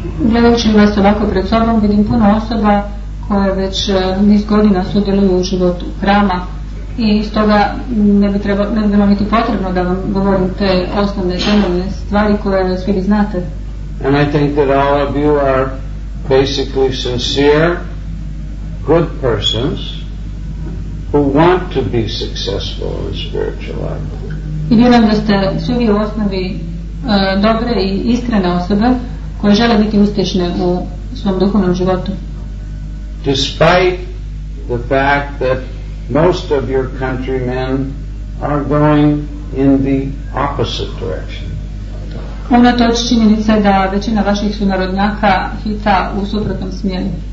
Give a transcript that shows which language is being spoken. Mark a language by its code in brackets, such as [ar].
[hr] Gledajući vas ovako pred sobom, vidim puno osoba koje već niz godina sudjeluju u životu hrama i stoga ne bi trebalo biti potrebno da vam govorim te osnovne temeljne stvari koje svi vi znate. [en] And I think that all of you are basically sincere, good persons who want to be successful in spiritual life. [hr] I vjerujem da ste svi vi u osnovi dobre i iskrene osobe koje žele biti uspješne u svom duhovnom životu. [en] Despite the fact that most of your countrymen are going in the opposite direction. [hr] Unatoč činjenice da većina vaših sunarodnjaka hita u suprotnom smjeru.